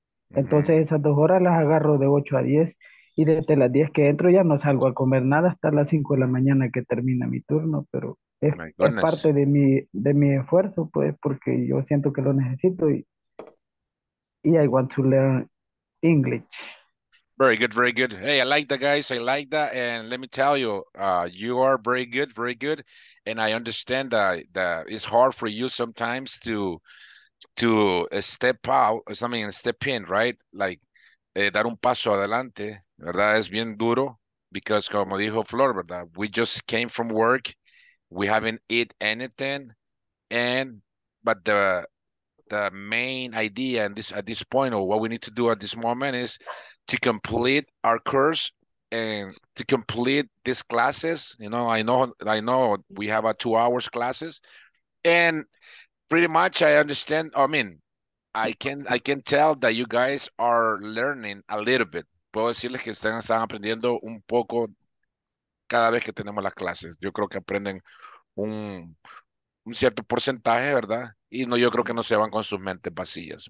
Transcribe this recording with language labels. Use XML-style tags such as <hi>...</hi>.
<es>Entonces esas 2 horas las agarro de 8 a 10 y desde las 10 que entro ya no salgo a comer nada hasta las 5 de la mañana que termina mi turno, pero es parte de mi esfuerzo, pues, porque yo siento que lo necesito y</es> <en>I want to learn English. Very good. Hey, I like that, guys. I like that. And let me tell you, you are very good. And I understand that it's hard for you sometimes to step out, step in, right?</en> <es>Like, dar un paso adelante, ¿verdad? Es bien duro because, como dijo Flor, ¿verdad?</es> <en>We just came from work. We haven't eaten anything. But the main idea at this point, or what we need to do at this moment, is to complete our course and to complete these classes. You know, I know we have a 2 hours classes, and pretty much I understand. I mean, I can tell that you guys are learning a little bit.</en> <es>Puedo decirles que están aprendiendo un poco cada vez que tenemos las clases. Yo creo que aprenden un cierto porcentaje, ¿verdad? Y no, yo creo que no se van con sus mentes vacías.</es>